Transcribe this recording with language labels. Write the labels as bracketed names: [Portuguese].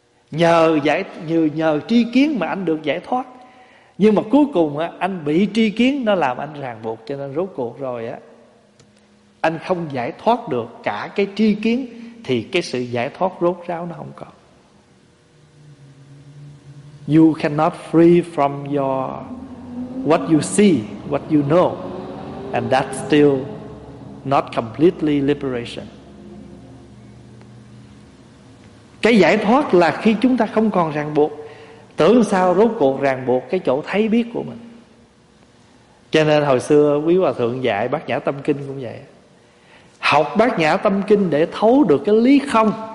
[Vietnamese] Nhờ tri kiến mà anh được giải thoát. Nhưng mà cuối cùng á, anh bị tri kiến nó làm anh ràng buộc, cho nên rốt cuộc rồi á, anh không giải thoát được cả cái tri kiến, thì cái sự giải thoát rốt ráo nó không có. [English] You cannot free from your what you see, what you know, and that's still not completely liberation. [Vietnamese] Cái giải thoát là khi chúng ta không còn ràng buộc. Tưởng sao rốt cuộc ràng buộc cái chỗ thấy biết của mình. Cho nên hồi xưa quý hòa thượng dạy Bát Nhã Tâm Kinh cũng vậy. Học Bát Nhã Tâm Kinh để thấu được cái lý không.